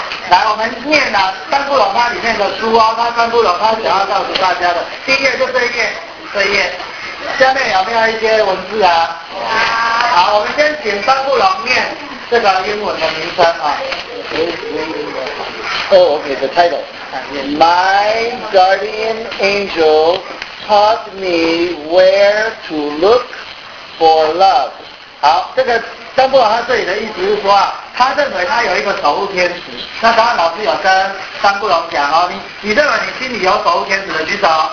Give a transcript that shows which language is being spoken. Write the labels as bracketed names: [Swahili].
[Chinese] 来，我们念了三部龙他里面的书啊，他三部龙他想要告诉大家的，第一页就这一页，这一页。下面有没有一些文字啊？好，我们先请三部龙念这个英文的名称啊。 [English] Oh, okay, the title. My guardian angel taught me where to look for love. [Chinese] 好，这个张博他这里的意思是说啊，他认为他有一个守护天使。那刚刚老师有跟张博龙讲哦，你认为你心里有守护天使的举手。